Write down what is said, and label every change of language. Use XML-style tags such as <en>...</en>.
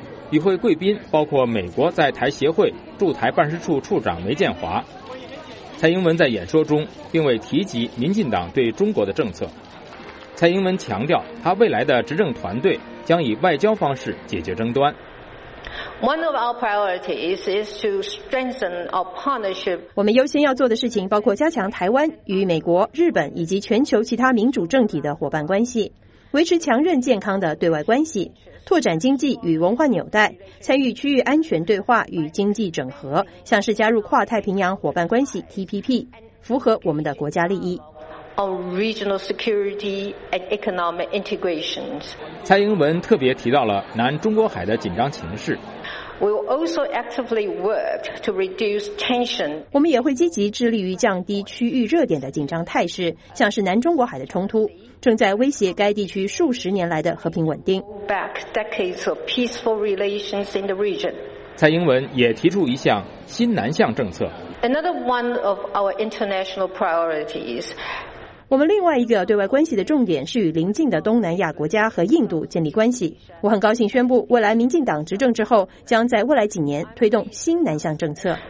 <zh>与会贵宾包括美国在台协会驻台办事处处长梅建华。蔡英文在演说中并未提及民进党对中国的政策。蔡英文强调，他未来的执政团队将以外交方式解决争端。</zh> <en>One of our priorities is to strengthen our partnership.</en> <zh>我们优先要做的事情包括加强台湾与美国、日本以及全球其他民主政体的伙伴关系，维持强韧健康的对外关系，拓展经济与文化纽带，参与区域安全对话与经济整合，像是加入跨太平洋伙伴关系 TPP， 符合我们的国家利益。</zh> <en>On regional security and economic integrations.</en> <zh>蔡英文特别提到了南中国海的紧张情势。</zh> <en>We will also actively work to reduce tension.</en> <zh>我们也会积极致力于降低区域热点的紧张态势，像是南中国海的冲突正在威胁该地区数十年来的和平稳定。</zh> <en>Back decades of peaceful relations in the region.</en> <zh>蔡英文也提出一项新南向政策。</zh> <en>Another one of our international priorities.</en> <zh>我们另外一个对外关系的重点是与邻近的东南亚国家和印度建立关系。我很高兴宣布，未来民进党执政之后，将在未来几年推动新南向政策。</zh>